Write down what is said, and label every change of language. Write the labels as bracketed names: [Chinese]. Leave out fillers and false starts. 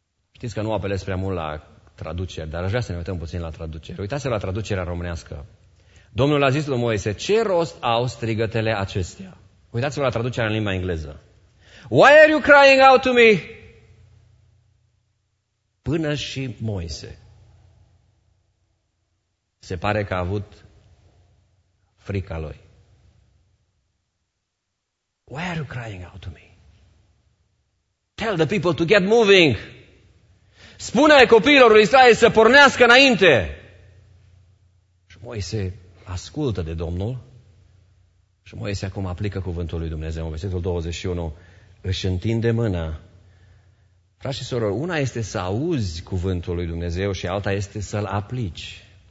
[Romanian] Știți că nu apelez prea mult la traduceri, dar aș vrea să ne uităm puțin la traduceri. Uitați-vă la traducerea românească. Domnul a zis lui Moise, ce rost au strigătele acestea? Uitați-vă la traducerea în limba engleză. [English] Why are you crying out to me? [Romanian] Până și Moise. Se pare că a avut frica lui. [English] Why are you crying out to me? Tell the people to get moving. [Romanian] Spune copiilor lui Israel să pornească înainte. Și Moise ascultă de Domnul. Și Moise acum aplică cuvântul lui Dumnezeu. În versetul 21 își întinde mâna. Frați și sorori, una este să auzi cuvântul lui Dumnezeu și alta este să-l aplici.